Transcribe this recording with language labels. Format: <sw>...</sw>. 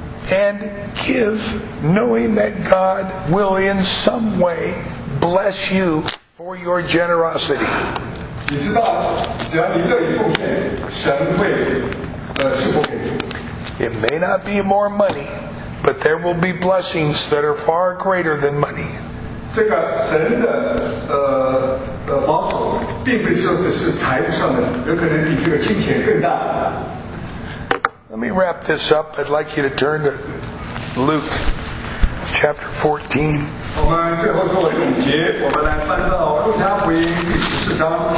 <en>and give, knowing that God will in some way bless you for your generosity.</en> <zh>你知道，只要你乐意奉献，神会赐福给你。</zh> <en>It may not be more money, but there will be blessings that are far greater than money.</en> <zh>这个神的保守，并不是说只是财务上的，有可能比这个金钱更大。</zh> <en>Let me wrap this up. I'd like you to turn to Luke chapter 14.</en> <zh>我们最后做个总结，我们来翻到路加福音第十四章。</zh>